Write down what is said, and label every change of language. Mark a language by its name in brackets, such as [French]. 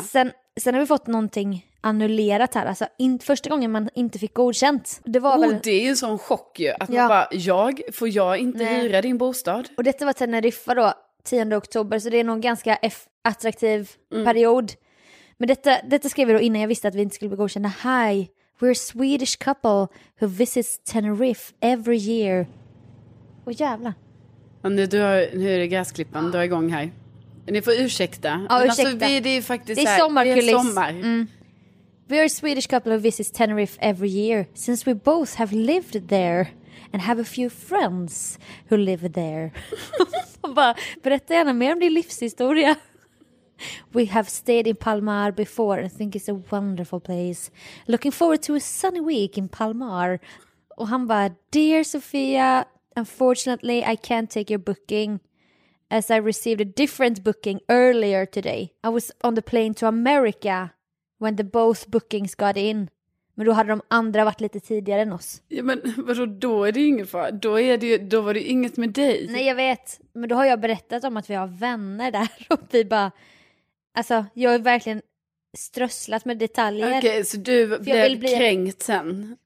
[Swedish] Sen har vi fått någonting annullerat här. Alltså, första gången man inte fick godkänt. Det var det är ju en sån chock ju. Att man bara, får jag inte hyra din bostad? Och detta var Teneriffa då, 10 oktober. Så det är nog en ganska attraktiv period. Men detta skrev vi då innan jag visste att vi inte skulle bli godkända. [English] Hi, we're a Swedish couple who visits Tenerife every year. [Swedish] Åh jävla. Nu är det gräsklippan, du är igång här. Ni får ursäkta. Ja, ursäkta. Alltså, det är faktiskt det är sommar, här, det är sommar. [English] We are a Swedish couple who visits Tenerife every year since we both have lived there and have a few friends who live there. [Swedish] Bara, berätta gärna mer om din livshistoria. [English] We have stayed in Palmar before and think it's a wonderful place. Looking forward to a sunny week in Palmar. [Swedish] Och han bara, [English] dear Sofia, unfortunately I can't take your booking. As I received a different booking earlier today. I was on the plane to America when the both bookings got in. [Swedish] Men då hade de andra varit lite tidigare än oss. Ja, men vadå, då är det inget för? Då var det inget med dig. Nej, jag vet. Men då har jag berättat om att vi har vänner där. Och vi bara... Alltså, jag är verkligen strösslat med detaljer. Okej, okay, så du blev kränkt sen,